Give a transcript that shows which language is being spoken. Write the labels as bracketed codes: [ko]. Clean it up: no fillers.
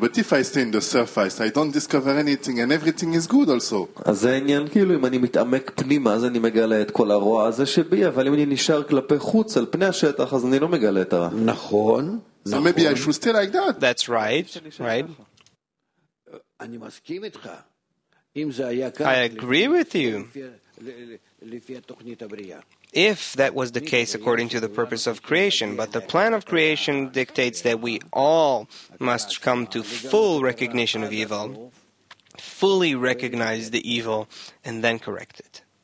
[en] But if I stay in the surface, I don't discover anything, and everything is good also. [he] אז העניין, כאילו, אם אני מתעמק פנימה, אז אני מגלה את כל הרוע הזה שבי, אבל אם אני נשאר כלפי חוץ, על פני השטח, אז אני לא מגלה את הרע. נכון. [en] So maybe I should stay like that. That's right. [he] אני מסכים איתך. אם זה היה כך. [en] I agree with you. [he] לפי התוכנית הבריאה. [en] If that was the case according to the purpose of creation, but the plan of creation dictates that we all must come to full recognition of evil, fully recognize the evil, and then correct it.